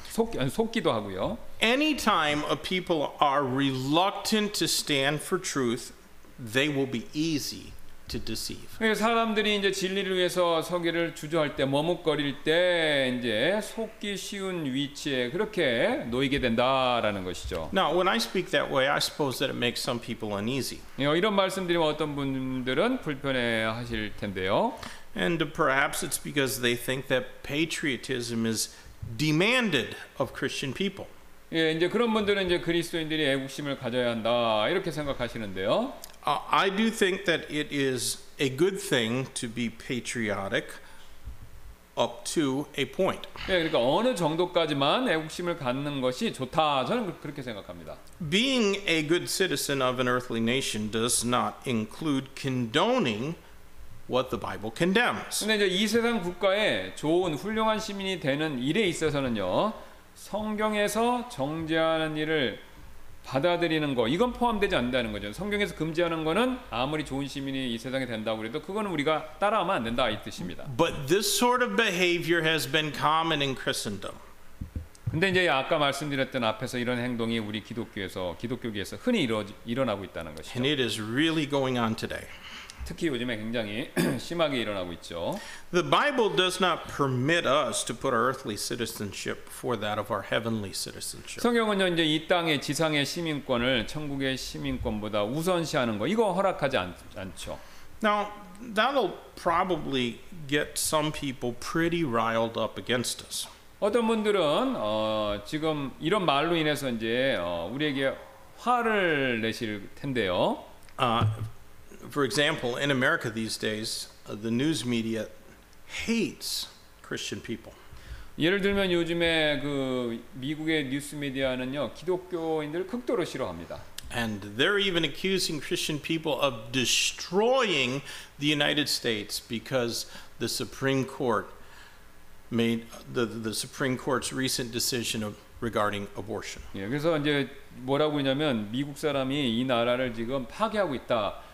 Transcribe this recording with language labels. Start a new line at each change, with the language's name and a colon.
Korean: 속기도 하고요.
English: Anytime a people are reluctant to stand for truth, they will be easy to deceive.
Korean: 예, 사람들이 이제 진리를 위해서 서기를 주저할 때 머뭇거릴 때 이제 속기 쉬운 위치에 그렇게 놓이게 된다라는 것이죠.
English: Now, when I speak that way, I suppose that it makes some people uneasy.
Korean: 예, 이런 말씀드리면 어떤 분들은 불편해 하실 텐데요.
English: And perhaps it's because they think that patriotism is demanded of Christian people.
Korean: 예, 이제 그런 분들은 이제 그리스도인들이 애국심을 가져야 한다 이렇게 생각하시는데요.
English: I do think that it is a good thing to be patriotic up to a point.
Korean: 예, 그러니까 어느 정도까지만 애국심을 갖는 것이 좋다. 저는 그렇게 생각합니다.
English: Being a good citizen of an earthly nation does not include condoning what the Bible condemns.
Korean: 근데 이제 이 세상 국가에 좋은 훌륭한 시민이 되는 일에 있어서는요. 성경에서 정죄하는 일을 받아들이는 거 이건 포함되지 않는다는 거죠. 성경에서 금지하는 거는 아무리 좋은 시민이 이 세상에 된다고 해도 그거는 우리가 따라하면 안 된다 이 뜻입니다.
English: But this sort of behavior has been common in Christendom.
Korean: 근데 이제 아까 말씀드렸던 앞에서 이런 행동이 우리 기독교계에서 흔히 일어나고 있다는 것이죠.
English: And it is really going on today.
Korean: 특히 요즘에 굉장히 심하게 일어나고 있죠.
English: The Bible does not permit us to put our earthly citizenship before that of our heavenly citizenship.
Korean: 성경은 이제 이 땅의 지상의 시민권을 천국의 시민권보다 우선시하는 거 이거 허락하지 않죠.
English: Now that'll probably get some people pretty riled up against us.
Korean: 어떤 분들은 지금 이런 말로 인해서 이제 우리에게 화를 내실 텐데요.
English: For example, in America these days, the news media hates Christian people.
Korean: 예를 들면 요즘에 그 미국의 뉴스 미디어는요, 기독교인들 극도로 싫어합니다.
English: And they're even accusing Christian people of destroying the United States because the Supreme Court made the Supreme Court's recent decision of regarding abortion.
Korean: 예, 그래서 이제 뭐라고 하냐면 미국 사람이 이 나라를 지금 파괴하고 있다.